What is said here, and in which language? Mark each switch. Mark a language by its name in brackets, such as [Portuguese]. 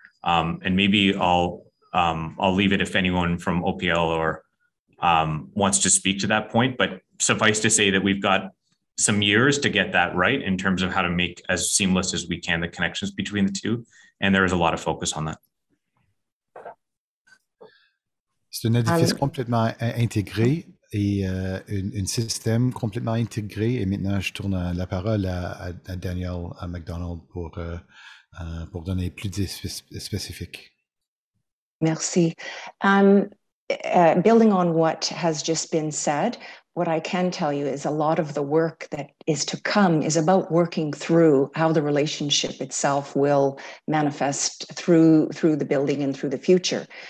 [English] And maybe I'll leave it if anyone from OPL or wants to speak to that point, but suffice to say that we've got some years to get that right in terms of how to make as seamless as we can the connections between the two. And there is a lot of focus on that. [French] C'est un édifice complètement intégré et un système complètement intégré. Et maintenant, je tourne la parole à Daniel à McDonald pour donner plus de spécifiques. Merci. [English] Building on what has just been said, what I can tell you is a lot of the work that is to come is about working through how the relationship itself will manifest through the building and through the future.